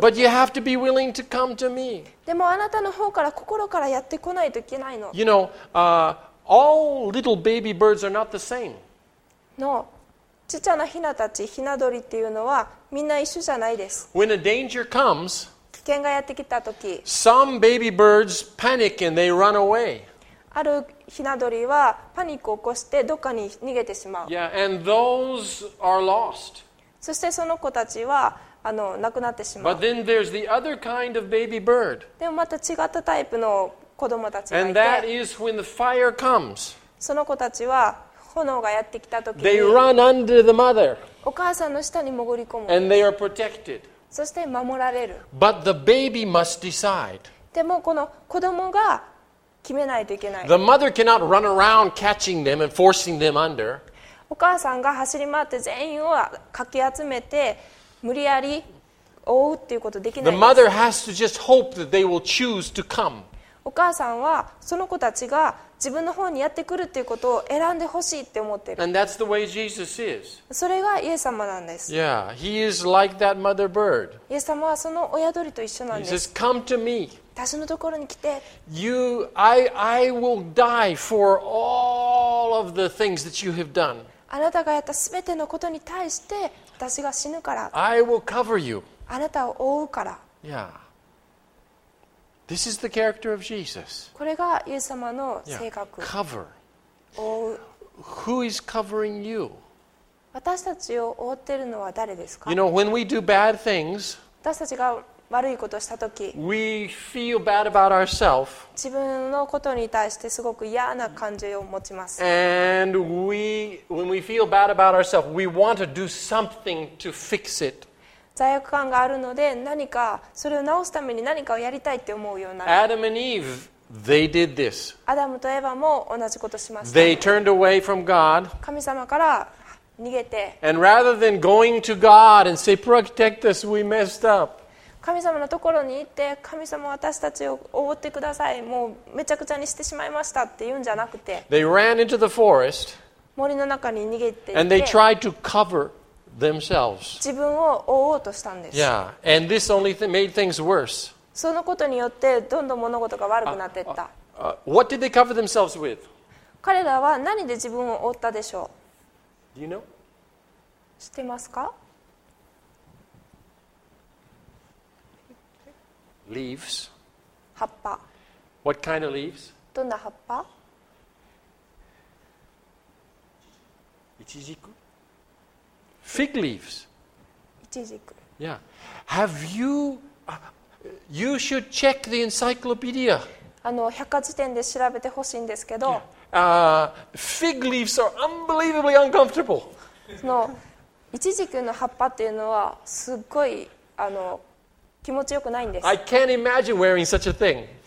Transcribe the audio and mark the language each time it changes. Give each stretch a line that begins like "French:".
English: But you have to be willing to come to me.
Japanese: でもあなたの方から心からやってこないといけないの。
English: You know, all little baby birds are not the same. No.
Japanese: ちっちゃなひなたち、ひな鳥っていうのはみんな一緒じゃないです。
English: When a danger comes,
Japanese: 危険がやってきた時、
English: some baby birds panic and they run away.
Japanese: ある雛鳥はパニックを起こしてどっかに逃げてしまう。
English: Yeah, and those are lost.
Japanese: そしてその子たちは亡くなってしまう。
English: But then there's the other kind of baby bird.
Japanese: でもまた違ったタイプの子供たちがいて。
English: And that is when the fire comes.
Japanese: その子たちは炎がやってきた時に。
English: They run under the mother.
Japanese: お母さんの下に潜り込む。
English: And they are protected.
Japanese: そして守られる。
English: But the baby must decide.
Japanese: でもこの子供が決めないといけない。
English: The mother cannot run around catching them and forcing them under.
Japanese: お母さんが走り回って全員をかき集めて無理やり追うっていうことできないです
English: 。The mother has to just hope that they will choose to come.
Japanese: お母さんはその子たちが自分の方にやってくるっていうことを選んでほしいって思ってる。
English: And that's the way Jesus is.
Japanese: それがイエス様なんです。
English: Yeah, he is like that mother bird.
Japanese: イエス様はその親鳥と一緒なんです。
English: He says, "Come to me."
Japanese: 私のところに来て。
English: I will die for all of the things that you have done.
Japanese: あなたがやったすべてのことに対して私が死ぬから。
English: I will cover you.
Japanese: あなたを覆うから。
English: Yeah. This is the character of Jesus.
Japanese: これがイエス様の性格。
English: Yeah. Cover.
Japanese: 覆う。
English: Who is covering you?
Japanese: 私たちを覆ってるのは誰ですか?
English: You know, when we do bad things,
Japanese: 私たちが悪いことをしたとき、
English: we feel bad about ourselves.
Japanese: 自分のことに対してすごく嫌な感じを持ちます。
English: And when we feel bad about ourselves, we want to do something to fix it.
Japanese: 罪悪感があるので、何かそれを直すために何かをやりたいって思うような。
English: Adam and Eve, they did this.
Japanese: アダムとエヴァも同じことしました。
English: They turned away from God.
Japanese: 神様から逃げて。
English: And rather than going to God and say, "Protect us, we messed up."
Japanese: 神様のところに行って、神様私たちを覆ってください。もうめちゃくちゃにしてしまいましたって言うんじゃなくて、
English: They ran into the forest,
Japanese: 森の中に逃げて、
English: and they tried to cover themselves.
Japanese: 自分を覆おうとしたんです。
English: Yeah, and this only made things worse.
Japanese: そのことによってどんどん物事が悪くなっていった。
English: What did they cover themselves with?
Japanese: 彼らは何で自分を覆ったでしょう?
English: Do you know?
Japanese: 知ってますか?
English: Leaves.
Japanese: 葉っぱ。
English: What kind of leaves?
Japanese: どんな葉っぱ? イチジク?
English: Fig leaves.
Japanese: イチジク。
English: Yeah. Have you... You should check the encyclopedia.
Japanese: 百科事典で調べてほしいんですけど。
English: Yeah. Fig leaves are unbelievably uncomfortable.
Japanese: イチジクの葉っぱっていうのはすっごい気持ちよくないんです。
English: I can't imagine wearing such a thing.